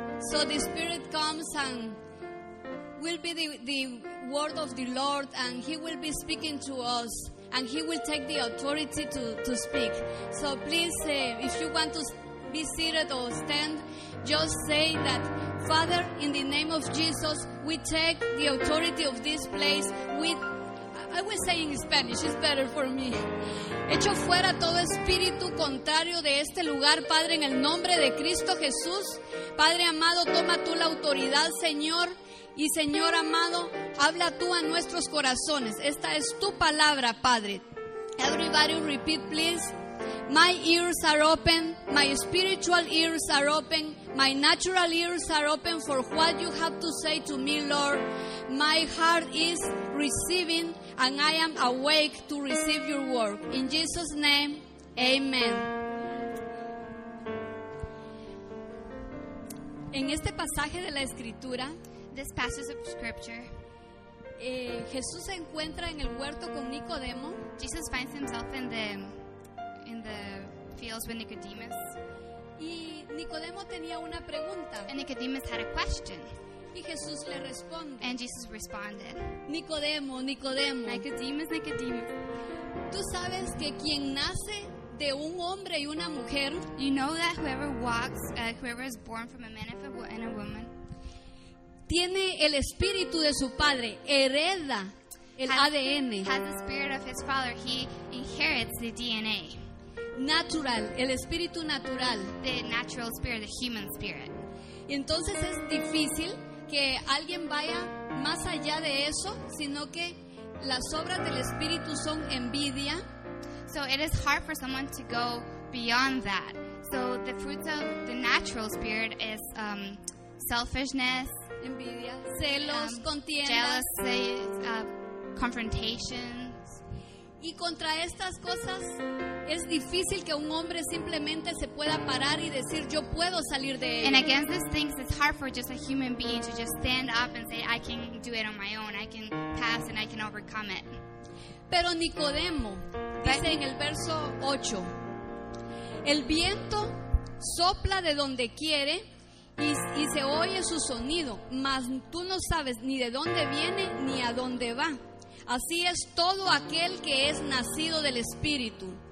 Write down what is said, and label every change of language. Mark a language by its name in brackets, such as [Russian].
[English] So the Spirit comes and will be the word of the Lord, and He will be speaking to us, and He will take the authority to speak. So please, if you want to be seated or stand, just say that, Father, in the name of Jesus, we take the authority of this place. I will say in Spanish, it's better for me. [Spanish] Echo fuera todo espíritu contrario de este lugar, Padre, en el nombre de Cristo Jesús. Padre amado, toma tú la autoridad, Señor. Y Señor amado, habla tú a nuestros corazones. Esta es tu palabra, Padre. [English] Everybody repeat, please. My ears are open, my spiritual ears are open, my natural ears are open for what you have to say to me, Lord. My heart is receiving, and I am awake to receive your word. In Jesus' name, amen. [Spanish] En este pasaje de la escritura, [English] this passage of scripture, [Spanish] Jesús se encuentra en el huerto con Nicodemo. [English] Jesus finds himself in the fields with Nicodemus. [Spanish] Y Nicodemo tenía una pregunta. [English] And Nicodemus had a question. [Spanish] Y Jesús le responde. [English] And Jesus responded. [Spanish] Nicodemo, Nicodemo. [English] Nicodemus, Nicodemus. [Spanish] Tú sabes que quien nace de un hombre y una mujer. [English] You know that whoever walks, whoever is born from a man and a woman, [Spanish] tiene el espíritu de su padre, hereda el ADN. [English] Has the spirit of his father, he inherits the DNA. [Spanish] Natural, el espíritu natural. [English] The natural spirit, the human spirit. [Spanish] Y entonces es difícil que alguien vaya más allá de eso, sino que las obras del espíritu son envidia. [English] So it is hard for someone to go beyond that. So the fruits of the natural spirit is selfishness, [Spanish] envidia, celos, contiendas, [English] jealousy, confrontations. Y contra estas cosas es difícil que un hombre simplemente se pueda parar y decir yo puedo salir de él. And against these things, it's hard for just a human being to just stand up and say I can do it on my own. I can pass and I can overcome it. [Spanish] Pero Nicodemo dice en el verso 8, el viento sopla de donde quiere y se oye su sonido, mas tú no sabes ni de dónde viene ni a dónde va. Así es todo aquel que es nacido del Espíritu.